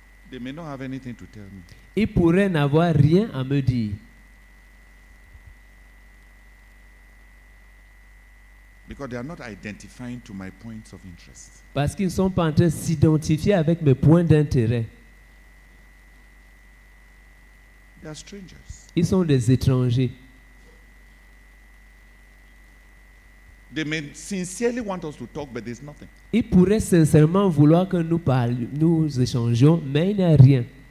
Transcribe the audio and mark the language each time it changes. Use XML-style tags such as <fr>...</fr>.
<en>They may not have anything to tell me.</en> <fr>Ils pourraient n'avoir rien à me dire.</fr> <en>Because they are not identifying to my points of interest.</en> <fr>Parce qu'ils ne sont pas en train de s'identifier avec mes points d'intérêt.</fr> <en>They are strangers.</en> <fr>Ils sont des étrangers.</fr> <en>They may sincerely want us to talk, but there's nothing.</en> <fr>Ils pourraient sincèrement vouloir que nous parlions, nous échangions, mais il n'y a rien.</fr>